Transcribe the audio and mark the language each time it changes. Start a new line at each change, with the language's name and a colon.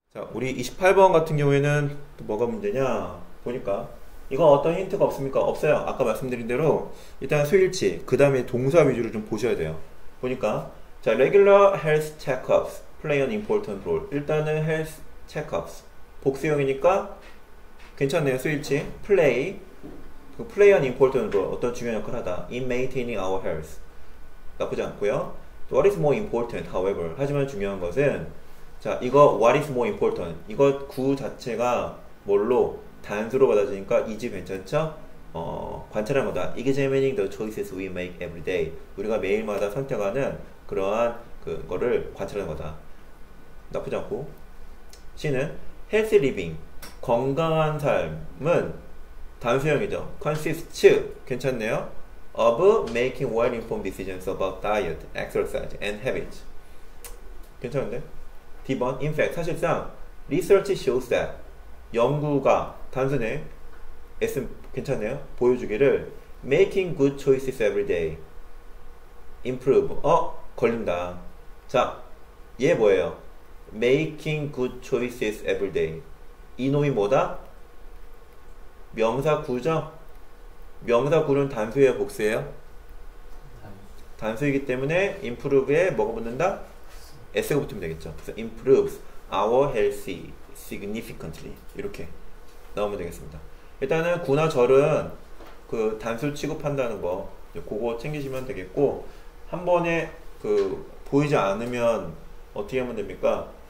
Korean: 자, 우리 28번 같은 경우에는 또 뭐가 문제냐 보니까 이거 어떤 힌트가 없습니까? 없어요. 아까 말씀드린 대로 일단 수일치, 그 다음에 동사 위주로 좀 보셔야 돼요. 보니까 자,
English: regular health checkups play an important role.
Korean: 일단은 health checkups 복수형이니까 괜찮네요. 수일치,
English: play, play an important role.
Korean: 어떤 중요한 역할을 하다.
English: In maintaining our health.
Korean: 나쁘지 않고요.
English: What is more important, however.
Korean: 하지만 중요한 것은 자, 이거
English: what is more important?
Korean: 이거 구 자체가 뭘로 단수로 받아지니까 is 괜찮죠? 관찰한 거다.
English: Examining the choices we make every day.
Korean: 우리가 매일마다 선택하는 그러한 그거를 관찰한 거다. 나쁘지 않고. C는
English: healthy living.
Korean: 건강한 삶은 단수형이죠. consists 괜찮네요.
English: of making well-informed decisions about diet, exercise, and habits.
Korean: 괜찮은데? D번, in fact, 사실상,
English: research shows that,
Korean: 연구가, 단순해, S, 괜찮네요? 보여주기를,
English: making good choices every day,
Korean: improve, 걸린다. 자, 얘 뭐예요?
English: making good choices every day.
Korean: 이놈이 뭐다? 명사구죠? 명사구는 단수예요, 복수예요? 단수이기 때문에, improve에 뭐가 붙는다? S가 붙으면 되겠죠. 그래서
English: improves our health significantly.
Korean: 이렇게 나오면 되겠습니다. 일단은 구나 절은 그 단수 취급한다는 거, 그거 챙기시면 되겠고, 한 번에 그 보이지 않으면 어떻게 하면 됩니까?